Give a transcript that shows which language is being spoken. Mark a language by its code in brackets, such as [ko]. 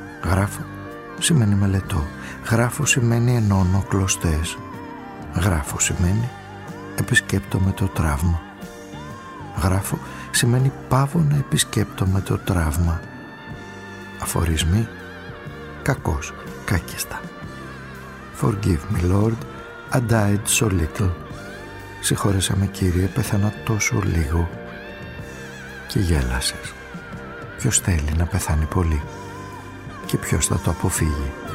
[el] Γράφω σημαίνει μελετώ. Γράφω σημαίνει ενώνω κλωστές. Γράφω σημαίνει επισκέπτομαι το τραύμα. Γράφω σημαίνει πάβω να επισκέπτομαι το τραύμα. Αφορισμοί, κακώς, κάκιστα. [en] Forgive me, Lord, I died so little. [el] Συγχώρεσέ με, Κύριε, πέθανα τόσο λίγο. Και γέλασες. Ποιος θέλει να πεθάνει πολύ? Και ποιος θα το αποφύγει?